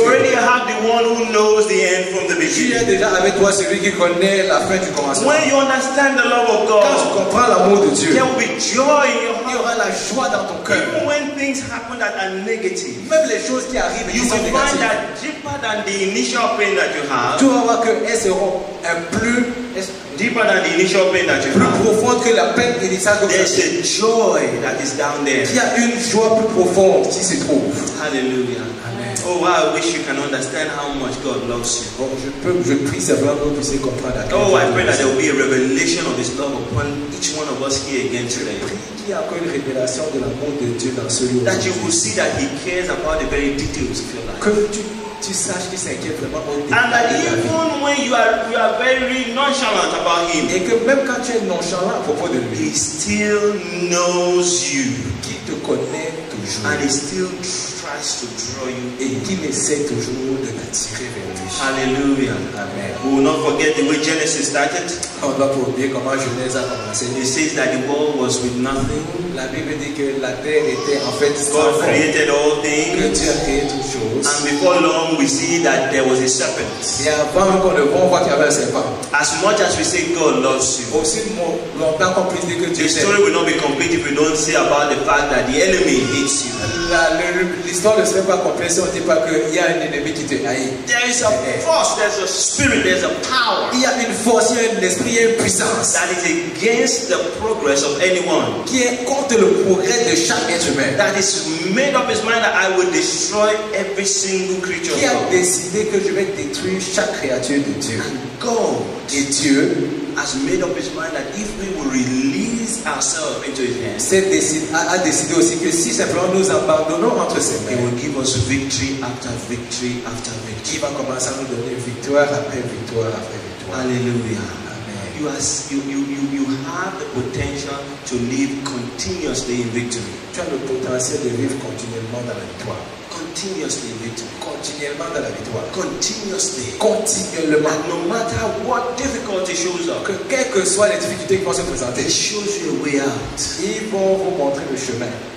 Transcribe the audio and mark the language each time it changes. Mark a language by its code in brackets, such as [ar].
[en] You already have the one who knows the end from the beginning. [fr] Tu es déjà avec toi celui qui connaît la fin du commencement. [en] When you understand the love of God, [fr] quand tu comprends l'amour de Dieu, [en] there will be joy in your heart. [fr] Il y aura la joie dans ton cœur. [en] Even when things happen that are negative, [fr] même les choses qui arrivent, [en] you will find that deeper than the initial pain that you have. [fr] Tu vas voir que elles seront plus [en] deeper than the initial pain that you [fr] plus [en] have. [fr] Profonde que la peine initiale que [en] there's a joy that is down there. [fr] Il y a une joie plus profonde qui se trouve. Hallelujah. Amen. [en] Oh wow, I wish you can understand how much God loves you. [fr] Oh, je prie simplement que vous puissiez comprendre à quel point. [en] Oh, I pray that there will be a revelation of His love upon each one of us here again today. [fr] Qu'il y a encore une révélation de l'amour de Dieu dans ce lieu. [en] That you will see that He cares about the very details of your life. [fr] Tu saches qu'il s'inquiète vraiment au début. [en] And that even when you are very nonchalant about him, [fr] et que même quand tu es nonchalant à propos de lui, [en] he still knows you, [fr] qui te connaît toujours, [en] and he still tries to draw you, [fr] et qui essaie toujours de t'attirer vers lui. Hallelujah. Amen. [en] We will not forget the way Genesis started. [fr] On doit pas oublier comment Genèse a commencé. [en] It says that the world was with nothing. [fr] La Bible dit que la terre était en fait sans forme. [en] God created all things. [fr] Que Dieu a créé toutes choses. [en] And before long, we see that there was a serpent. [fr] Et avant qu'on le voit, on voit qu'il y avait un serpent. [en] As much as we say God loves you, [fr] aussi longtemps qu'on puisse dire que Dieu t'aime, [en] the story will not be complete if we don't say about the fact that the enemy hates you. [fr] L'histoire ne serait pas complète si on ne dit pas qu'il y a un ennemi qui te hait. [en] There is a force, there's a spirit, there's a power. [fr] Il y a une force, il y a un esprit, il y a une puissance. [en] That is against the progress of anyone. [fr] Qui est contre le progrès de chaque être humain. [en] That is made up his mind that I will destroy every single creature. [fr] Qui a décidé que je vais détruire chaque créature de Dieu. [en] God. [fr] Et Dieu [en] has made up his mind that if we will release ourselves into his hands, [fr] a décidé aussi que si simplement nous abandonnons entre ses mains, [en] he will give us victory after victory after victory. [fr] Il va commencer à nous donner victoire après victoire après victoire. Alléluia. Amen. [en] You have the potential to live continuously in victory. [fr] Tu as le potentiel de vivre continuellement dans la victoire. [en] Continuously in victory. [fr] Continuellement dans la victoire. [en] Continuously. [fr] Continuellement. [en] And no matter what difficulty shows up, [fr] quelles que soient les difficultés qui vont se présenter, [en] he shows you a way out. [fr] Ils vont vous montrer le chemin.